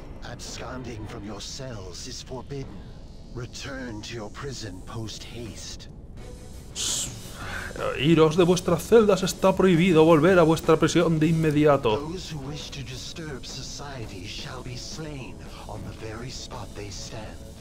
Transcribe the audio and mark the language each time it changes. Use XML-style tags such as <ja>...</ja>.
<en>Absconding from your cells is forbidden. Return to your prison post haste.</en> <es>Iros de vuestras celdas, está prohibido volver a vuestra prisión de inmediato.</es> <en>Those who wish to disturb society shall be slain on the very spot they stand.</en>